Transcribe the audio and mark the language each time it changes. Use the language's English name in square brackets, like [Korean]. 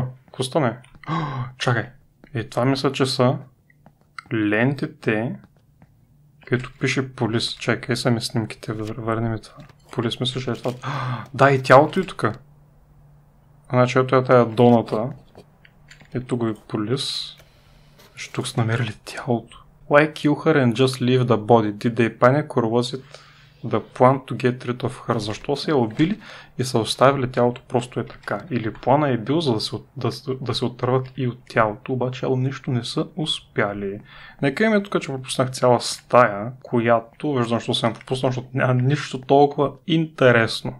[Bulgarian] Костане. Чакай. Това мисля, че са лентите, където пише полис. Чакай, са ми снимките, върни ми това. Полис мисля, че е това. Да, и тялото и тук. Значи ето е тая доната. Ето го е полис. Значи тук са намерили тялото. [English] Why kill her and just leave the body? Did they panic or was it the plan to get rid of her? [Bulgarian] Защо са я убили и са оставили тялото просто е така? Или плана е бил за да се отърват и от тялото, обаче нищо не са успяли. Нека имаме тук, че пропуснах цяла стая, която, виждам, що съм пропуснал, защото няма нищо толкова интересно.